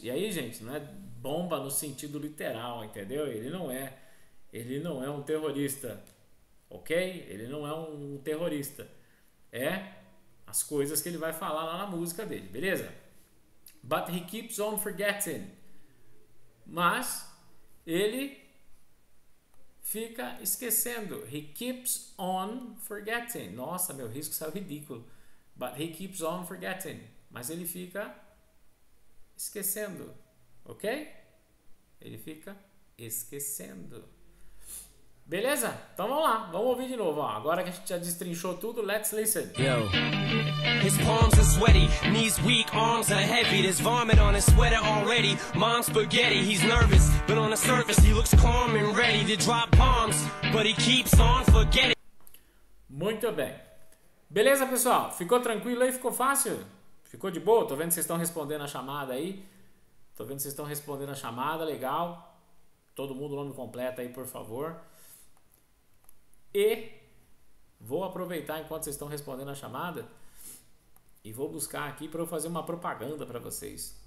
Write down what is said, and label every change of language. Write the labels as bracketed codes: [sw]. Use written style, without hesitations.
[pt] E aí, gente, não é bomba no sentido literal, entendeu? Ele não é um terrorista. Ok? Ele não é um terrorista. É as coisas que ele vai falar lá na música dele, beleza? [en] But he keeps on forgetting. [pt] Mas ele fica esquecendo. [en] He keeps on forgetting. [pt] Nossa, meu risco saiu ridículo. [en] But he keeps on forgetting. [pt] Mas ele fica esquecendo. Ok? Ele fica esquecendo. Beleza? Então vamos lá. Vamos ouvir de novo. Ó. Agora que a gente já destrinchou tudo, [en] let's listen. Yo. His palms are sweaty, knees weak, arms are heavy. There's vomit on his sweater already. Mom's spaghetti, he's nervous, but on the surface he looks calm and ready to drop bombs, but he keeps on forgetting. [pt] Muito bem. Beleza, pessoal? Ficou tranquilo aí? Ficou fácil? Ficou de boa? Tô vendo que vocês estão respondendo a chamada aí. Tô vendo que vocês estão respondendo a chamada. Legal. Todo mundo, nome completo aí, por favor. E vou aproveitar enquanto vocês estão respondendo a chamada e vou buscar aqui para eu fazer uma propaganda para vocês.